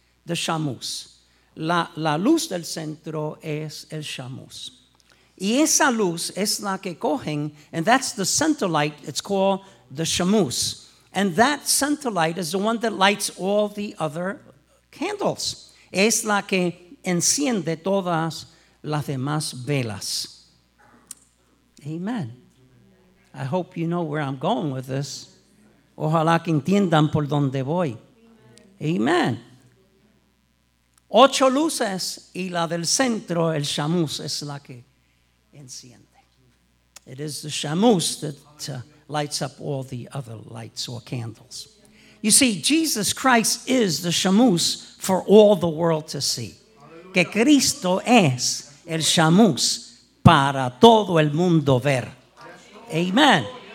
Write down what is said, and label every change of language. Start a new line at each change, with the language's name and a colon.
English: The shamus.
Spanish: La luz del centro es el shamus. Y esa luz es la que cogen,
English: and that's the center light, it's called the shamus. And that center light is the one that lights all the other candles.
Spanish: Es la que enciende todas las demás velas. Amen.
English: I hope you know where I'm going with this.
Spanish: Ojalá que entiendan por dónde voy. Amen. Ocho luces y la del centro, el shamus, es la que enciende.
English: It is the shamus that lights up all the other lights or candles. You see, Jesus Christ is the shamus for all the world to see.
Spanish: Que Cristo es el shamus para todo el mundo ver. Amen.